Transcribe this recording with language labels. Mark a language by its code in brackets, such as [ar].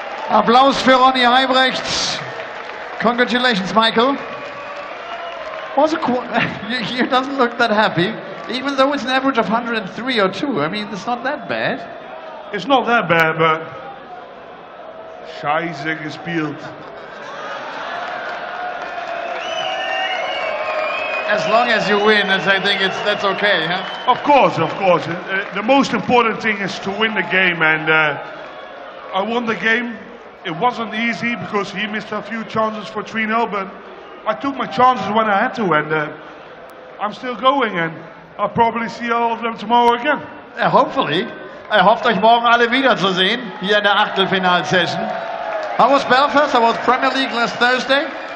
[de] Applaus für Ronnie Huybrechts. [en] Congratulations, Michael. Was a he doesn't look that happy. Even though it's an average of 103 or 2. I mean, it's not that bad. It's not that bad, but [de] Scheiße gespielt. [en] As long as you win, I think that's okay, huh? Of course, of course. The most important thing is to win the game, and I won the game. It wasn't easy because he missed a few chances for 3-0, but I took my chances when I had to, and I'm still going, and I'll probably see all of them tomorrow again. Yeah, hopefully. [de] Er hofft euch morgen alle wiederzusehen hier in der Achtelfinalsession. [en] How was Belfast? How was Premier League last Thursday?